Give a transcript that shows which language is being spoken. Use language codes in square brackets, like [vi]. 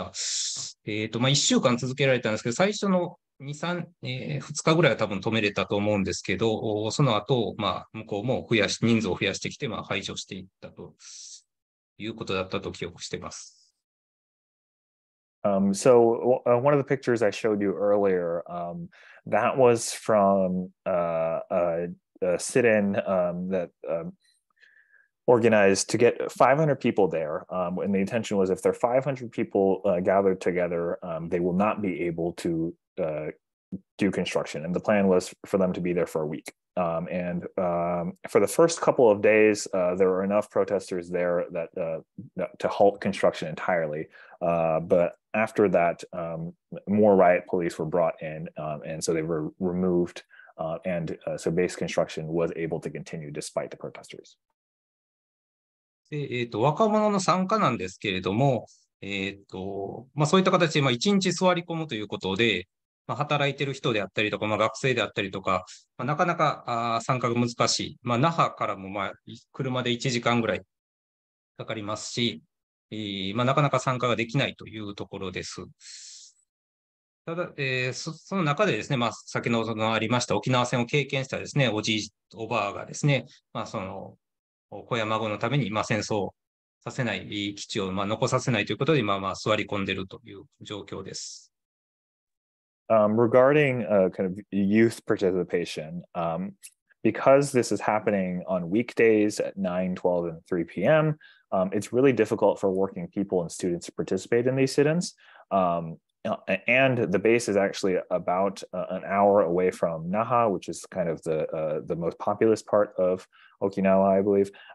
[ja] まあ、1週間続けられたんですけど、最初の2、3、2日ぐらいは多分止めれたと思うんですけど、その後、まあ、向こうも人数を増やしてきて、まあ、排除していったということだったと記憶しています。 [en] One of the pictures I showed you earlier, that was from a sit-in that organized to get 500 people there. And the intention was if there are 500 people gathered together, they will not be able to do construction. And the plan was for them to be there for a week. For the first couple of days, there were enough protesters there that to halt construction entirely. But after that, more riot police were brought in, and so they were removed. So base construction was able to continue despite the protesters. [ja] で、若者の参加なんですけれども、まあ、そういった形で、まあ、1日座り込むということで、まあ、働いてる人であったりとか、まあ、学生であったりとか、まあ、なかなか参加が難しい、まあ、那覇からも、まあ、車で1時間ぐらいかかりますし、まあ、なかなか参加ができないというところです。ただ、その中でですね、まあ、先ほどのありました沖縄戦を経験したですね、おじい、おばあがですね、まあ、その、子や孫のために、まあ、戦争させない、基地を、まあ、残させないということで、まあまあ、座り込んでるという状況です。 [en] Regarding, kind of youth participation, because this is happening on weekdays at 9, 12, and 3 p.m., it's really difficult for working people and students to participate in these sit-ins. And the base is actually about an hour away from Naha, which is kind of the most populous part of Okinawa, I believe.